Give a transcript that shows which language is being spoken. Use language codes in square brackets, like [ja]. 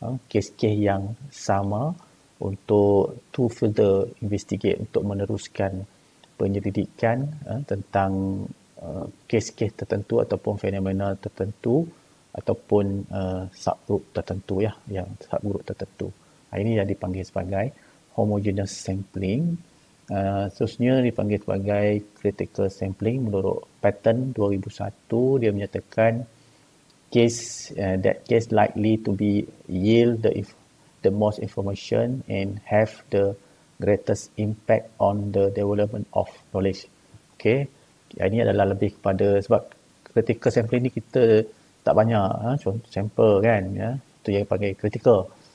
[ms] Case-case yang sama untuk [en] to further investigate, [ms] untuk meneruskan penyelidikan tentang case-case tertentu ataupun fenomena tertentu ataupun subgroup tertentu, ya, yang subgroup tertentu. Ini yang dipanggil sebagai homogeneous sampling. Seterusnya dipanggil sebagai critical sampling. Menurut pattern 2001, dia menyatakan [en] that case likely to be yield the most information and have the greatest impact on the development of knowledge. [ms] Okay, ini adalah lebih kepada, sebab critical sampling ni kita tak banyak sampel kan, ya, itu yang panggil critical.